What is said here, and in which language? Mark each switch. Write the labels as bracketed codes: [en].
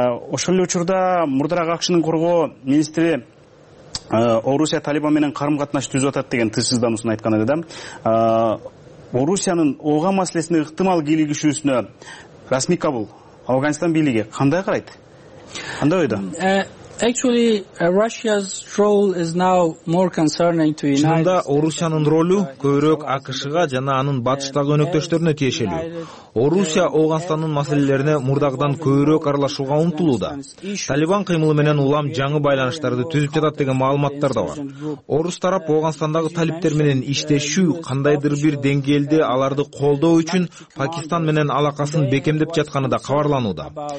[ky] Ошол эле учурда мурдараак АКШнын коргоо министри Орусия Талибан менен карым катнаш түзүп атат деген тынчсызданууну айткан эле да. Орусиянын ооган маселесине ыктымал кийлигишүүсүнө расмий кабыл Ооганстан бийлиги кандай карайт? Кандай ойдо? [en] Actually, Russia's role is now more concerning to United States. [ky] Чынында Орусиянын ролу көбүрөөк АКШга жана анын батыштагы өнөктөштөрүнө тиешелүү. Орусия Ооганстандын маселелерине мурдагыдан көбүрөөк аралашууга умтулууда. Талибан кыймылы менен улам жаңы байланыштарды түзүп жатат деген маалыматтар да бар. Орус тарап Оогандагы талиптер менен иштешүү кандайдыр бир деңгээлде аларды колдоо үчүн Пакистан менен алакасын бекемдеп жатканы да кабарланууда.